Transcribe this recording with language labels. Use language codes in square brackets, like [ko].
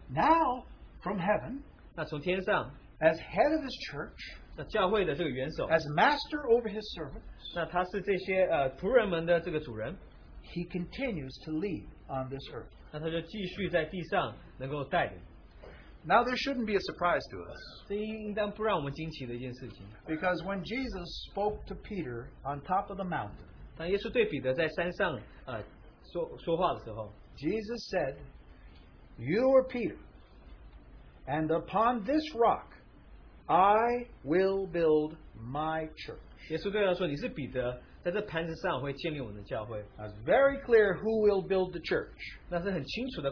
[en] Now, from heaven, [zh] 那从天上, [en] as head of his church, [zh] 那教会的这个元首, [en] as master over his servants, [zh] 那他是这些仆人们的这个主人, [en] he continues to lead on this earth. [zh] 那他就继续在地上能够带领. [en] Now, there shouldn't be a surprise to us. [zh] 这应当不让我们惊奇的一件事情. [en] Because when Jesus spoke to Peter on top of the mountain, [zh] 当耶稣对彼得在山上, [en] Jesus said, "You are Peter, and upon this rock I will build my church." [zh] 耶稣对他说,你是彼得,在这盘子上会建立我们的教会. [en] That's very clear who will build the church.